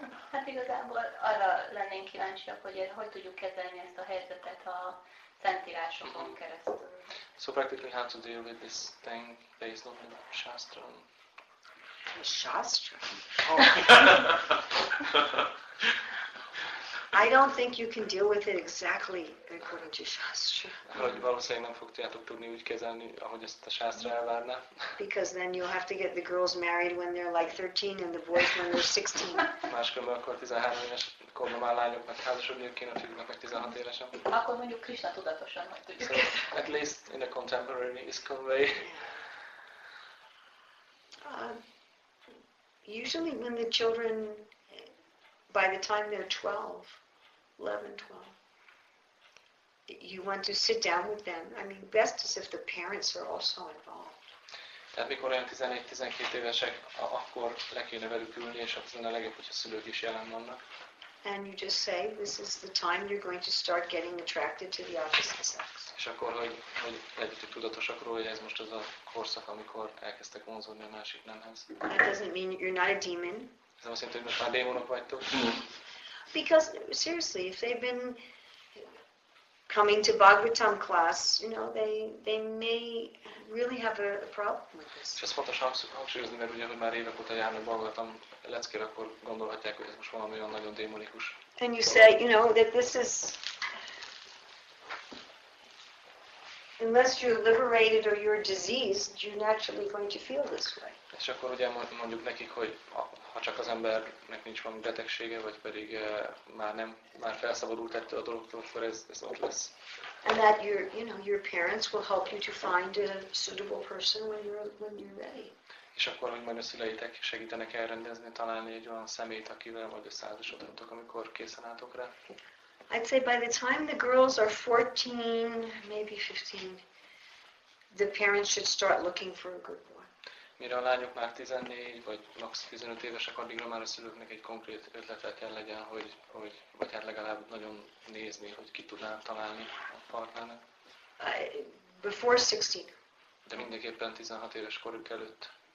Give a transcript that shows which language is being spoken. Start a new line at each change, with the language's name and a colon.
Hungarian: Hát igazából arra lennénk kíváncsiak, hogy hogy tudjuk kezelni ezt a helyzetet a szentírásokon keresztül.
English: So practically how to deal with this thing based on the Shastra.
Hungarian: A Shastra?
English: I don't think you can deal with it exactly according to Shastra.
Hungarian: Hogy valószínűleg nem fogjátok tudni úgy kezelni, ahogy ezt a Shastra elvárná.
English: Because then you'll have to get the girls married when they're like 13 and the boys when they're 16.
Hungarian: Máskülönben akkor 13 éves korban már lányoknak házasodniuk kéne, a fiúknak meg 16 évesen. Akkor mondjuk Krishna tudatosan majd tudjuk.
English: So, at least in a contemporary iskon way. Usually when the children, by the time they're 11, 12, you want to sit down with them. I mean, best is if the parents are also involved.
Hungarian: Tehát mikor olyan 11-12 évesek, akkor le kéne velük ülni, és az lenne legjobb, hogyha szülők is jelen vannak.
English: And you just say, this is the time you're going to start getting attracted to the opposite sex.
Hungarian: És akkor, hogy legyen tudatosak róla, hogy ez most az a korszak, amikor elkezdtek vonzolni a másik nemhez.
English: That doesn't mean you're not a demon.
Hungarian: Ez nem azt jelenti, hogy most már démonok vagytok.
English: Because, seriously, if they've been coming to Bhagavatam class, you know, they may really have a problem with this.
Hungarian: És ezt fontos hangsúlyozni, mert ugyanúgy már évek óta járnak Bhagavatam leckére, akkor gondolhatják, hogy ez most valami olyan nagyon démonikus.
English: And you say, you know, that this is, unless you're liberated or you're diseased, you're naturally going to feel this way.
Hungarian: És akkor ugye mondjuk nekik, hogy ha csak az embernek nincs valami betegsége, vagy pedig már felszabadult ettől a dologtól, akkor ez ott lesz.
English: And that your, you know, your parents will help you to find a suitable person when you're ready.
Hungarian: És akkor hogy majd a szüleitek segítenek elrendezni, találni egy olyan szemét, akivel majd összeházasodhatok, amikor készen álltok rá.
English: I'd say by the time the girls are 14, maybe 15, the parents should start looking for a good one.
Hungarian: Mire a lányok már 14 vagy max 15 évesek, addigra már a szülőknek egy konkrét ötlete kell legyen, hogy vagy hát legalább nagyon nézni, hogy ki tudná találni a partnernek.
English: Before 16.
Hungarian: De mindenképpen 16 éves koruk előtt.